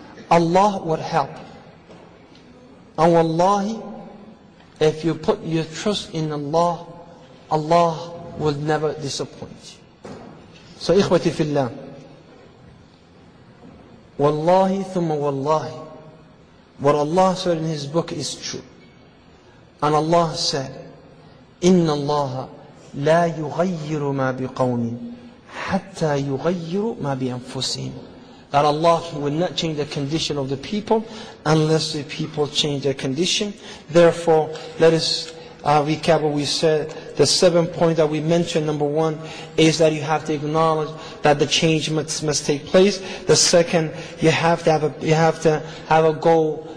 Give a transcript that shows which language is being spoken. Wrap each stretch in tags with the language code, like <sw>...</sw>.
<en>Allah will help. And wallahi, if you put your trust in Allah, Allah will never disappoint you. So, ikhwati fillah, wallahi thumma wallahi, what Allah said in His book is true.</en> <ar>And Allah said, إِنَّ اللَّهَ لَا يُغَيِّرُ مَا بِقَوْمٍ حَتَّى يُغَيِّرُ مَا بِأَنفُسِهِمْ.</ar> <en>That Allah will not change the condition of the people unless the people change their condition. Therefore, let us recap what we said. The 7 points that we mentioned, number one, is that you have to acknowledge that the change must take place. The second, you have to have a goal.</en>